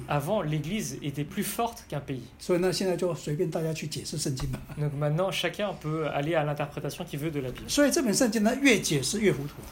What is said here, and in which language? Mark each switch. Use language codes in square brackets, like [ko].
[fr] Avant, l'Église était plus forte qu'un pays. [zh] 所以呢，现在就随便大家去解释圣经吧。 [fr] Donc maintenant, chacun peut aller à l'interprétation qu'il veut de la Bible. [zh] 所以这本圣经呢，越解释越糊涂。